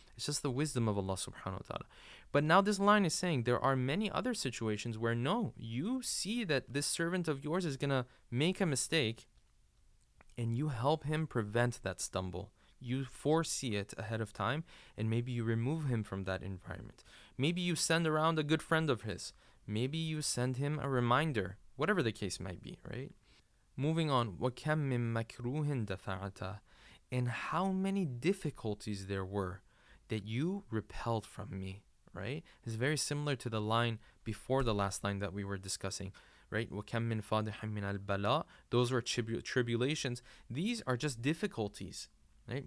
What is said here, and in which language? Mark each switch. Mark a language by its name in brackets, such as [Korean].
[English] It's just the wisdom of Allah subhanahu wa ta'ala. But now this line is saying there are many other situations where no, you see that this servant of yours is gonna make a mistake and you help him prevent that stumble. You foresee it ahead of time and maybe you remove him from that environment. Maybe you send around a good friend of his. Maybe you send him a reminder, whatever the case might be, right? Moving on, [Arabic] وَكَمْ مِنْ مَكْرُوهٍ دَفَعَتَ. [English] And how many difficulties there were that you repelled from me, right? It's very similar to the line before the last line that we were discussing, right? [Arabic] وَكَمْ مِنْ فَادِحٍ مِنَ الْبَلَاءِ. [English] Those were tribulations. These are just difficulties, right?